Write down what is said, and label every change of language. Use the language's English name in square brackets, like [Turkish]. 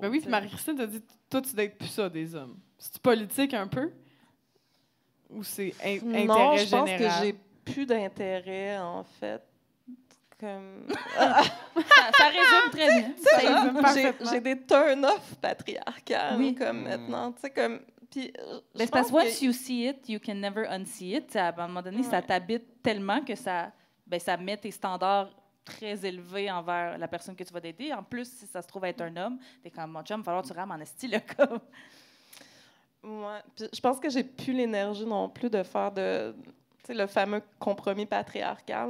[French] Mais oui, Marie-Christine t'a dit « Toi, tu dates plus ça des hommes ». C'est-tu politique un peu? Ou c'est intérêt non, Non, je pense que j'ai plus d'intérêt, en fait. Comme... ça résume très bien. T'sais, ça résume parfaitement. J'ai des turn-off patriarcales maintenant. Tu sais, comme... Mais parce que [English] once you see it, you can never unsee it. [French] T'sais, à un moment donné, ça t'habite tellement que ça, ça met tes standards très élevé envers la personne que tu vas dater. En plus, si ça se trouve être un homme, t'es comme mon chum, il va falloir que tu rames en esti, là, comme. Ouais. Puis, je pense que j'ai plus l'énergie non plus de faire le fameux compromis patriarcal.